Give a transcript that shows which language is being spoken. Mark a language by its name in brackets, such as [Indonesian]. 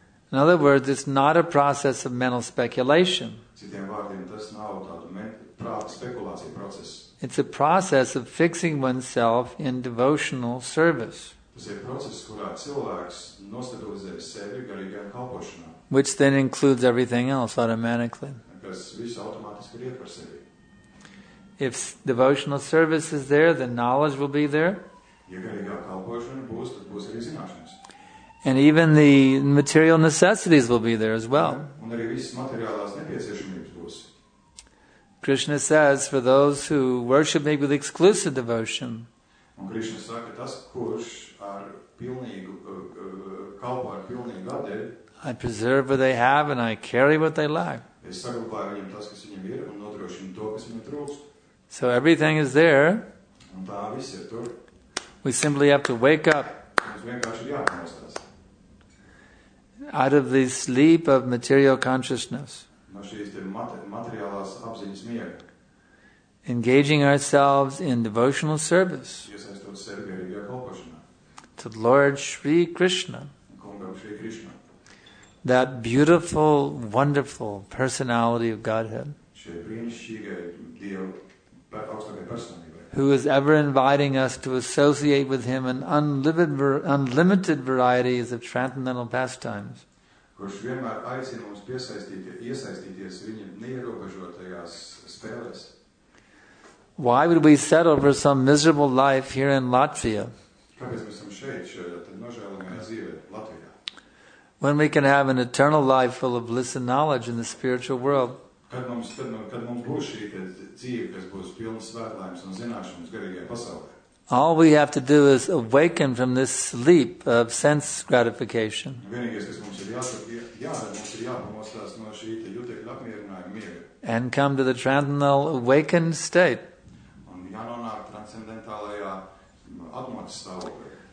[English] In other words, it's not a process of mental speculation. It's a process of fixing oneself in devotional service. [Latvian] Tas ir process, kurā cilvēks nostabilizē sevi garīgajā kalpošanā. [English] Which then includes everything else automatically. [Latvian] Kas visu automātiski ir iet par sevi. [English] If devotional service is there, then knowledge will be there. [Latvian] Ja garīgā kalpošana būs, tad būs arī zināšanas. [English] And even the material necessities will be there as well. [Latvian] Un arī visas materiālās nepieciešamības būs. [English] Krishna says, for those who worship me with exclusive devotion, [Latvian] un Krishna saka, tas, kurš ar pilnīgu, kalpo ar pilnīgu atdevi, [English] I preserve what they have and I carry what they lack. [Latvian] Es saglabāju viņam tas, kas viņam ir, un nodrošinu to, kas viņam trūkst. [English] So everything is there. [Latvian] Un tā viss ir tur. [English] We simply have to wake up. [Latvian] Mums vienkārši ir jāpamostās. [English] Out of the sleep of material consciousness. [Latvian] No šīs materiālās apziņas miega. [English] Engaging ourselves in devotional service. [Latvian] Iesaistot sevi garīgajā kalpošanā. [English] To Lord Shri Krishna. [Latvian] Kungam Shri Krishna. [English] That beautiful, wonderful personality of Godhead. [Latvian] Šie brīnišķīgie Dievu augstākajai personībai. [English] Who is ever inviting us to associate with him in unlimited varieties of transcendental pastimes. [Latvian] Kurš vienmēr aicina mums iesaistīties viņa neierobežotajās spēlēs. [English] Why would we settle for some miserable life here in Latvia? [Latvian] Kāpēc mēs esam šeit, nožēlojamajā dzīvē, Latvijā? [English] When we can have an eternal life full of bliss and knowledge in the spiritual world. [Latvian] Kad mums būs šī dzīve, kas būs pilna svētlaimes un zināšanas garīgajā pasaulē. [English] All we have to do is awaken from this sleep of sense gratification. [Latvian] Vienīgais, kas mums ir jāpamostās no šī jūtekļa apmierinājuma miega. [English] And come to the transcendental awakened state. [Latvian] Un jānonāk transcendentālajā atmodas stāvoklī.